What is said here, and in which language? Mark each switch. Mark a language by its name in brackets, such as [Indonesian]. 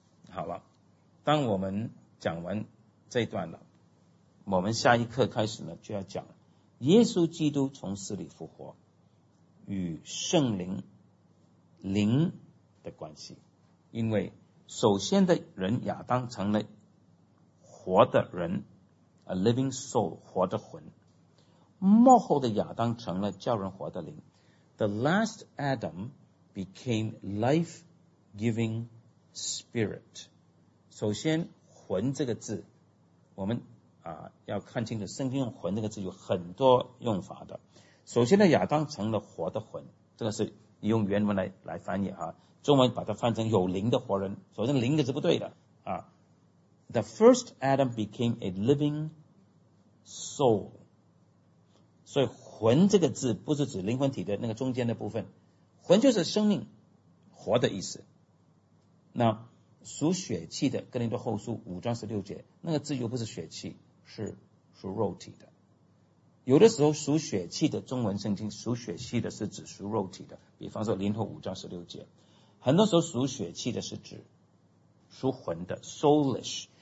[Chinese] 好了，当我们讲完这段了，我们下一课开始呢就要讲耶稣基督从死里复活与圣灵灵的关系。因为首先的人亚当成了活的人， [English] a living soul， [Chinese] 活的魂，末后的亚当成了叫人活的灵。 [English] The last Adam became life-giving spirit。 [Chinese] 首先魂这个字我们要看清楚，圣经用魂这个字有很多用法的。首先呢，亚当成了活的魂，这个是用原文 来翻译，中文把它翻成有灵的活人。首先灵的字不对的啊。 [English] The first Adam became a living soul。 [Chinese] 所以魂这个字不是指灵魂体的那个中间的部分，魂就是生命活的意思。那属血气的哥林多后书五章十六节，那个字又不是血气，是属肉体的。有的时候属血气的中文圣经属血气的是指属肉体的，比方说林后五章十六节，很多时候属血气的是指属魂的 soulish。